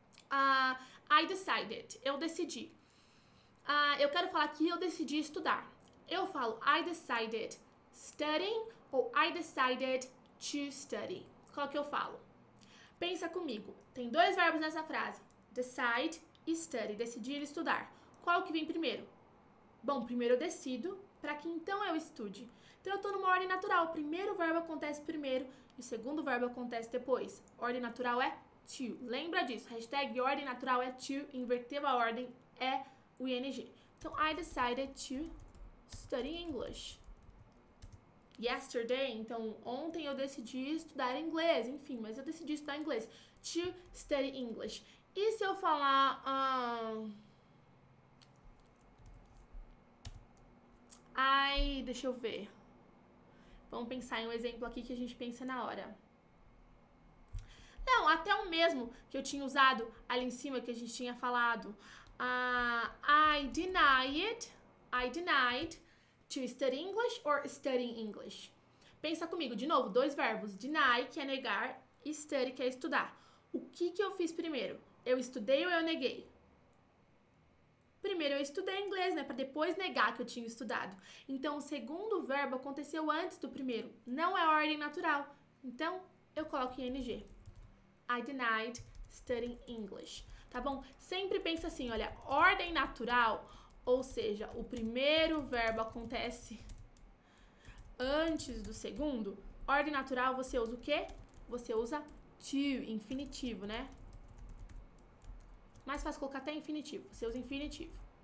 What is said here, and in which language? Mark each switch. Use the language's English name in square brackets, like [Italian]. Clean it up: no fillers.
[English] I decided. [Portuguese] Eu decidi. Eu quero falar que eu decidi estudar. Eu falo [English] I decided studying [Portuguese] ou [English] I decided to study. [Portuguese] Qual que eu falo? Pensa comigo. Tem dois verbos nessa frase. Decide e study. Decidir e estudar. Qual que vem primeiro? Bom, primeiro eu decido para que então eu estude. Então eu estou numa ordem natural. O primeiro verbo acontece primeiro e o segundo verbo acontece depois. Ordem natural é to. Lembra disso. Hashtag ordem natural é to. Inverteu a ordem é o ing. Então [English] I decided to Study English. Yesterday, [Portuguese] então ontem eu decidi estudar inglês, enfim, mas eu decidi estudar inglês. [English] To study English. [Portuguese] E se eu falar. Ai, deixa eu ver. Vamos pensar em um exemplo aqui que a gente pensa na hora. Não, até o mesmo que eu tinha usado ali em cima, que a gente tinha falado. [English] I denied. I denied to study English or studying English. [Portuguese] Pensa comigo, de novo, dois verbos. Deny, que é negar, e study, que é estudar. O que que eu fiz primeiro? Eu estudei ou eu neguei? Primeiro eu estudei inglês, né? Para depois negar que eu tinha estudado. Então o segundo verbo aconteceu antes do primeiro. Não é ordem natural. Então eu coloco ing. [English] I denied studying English. [Portuguese] Tá bom? Sempre pensa assim, olha, ordem natural, ou seja, o primeiro verbo acontece antes do segundo. Ordem natural você usa o quê? Você usa to, infinitivo, né? Mais fácil colocar até infinitivo. Você usa infinitivo.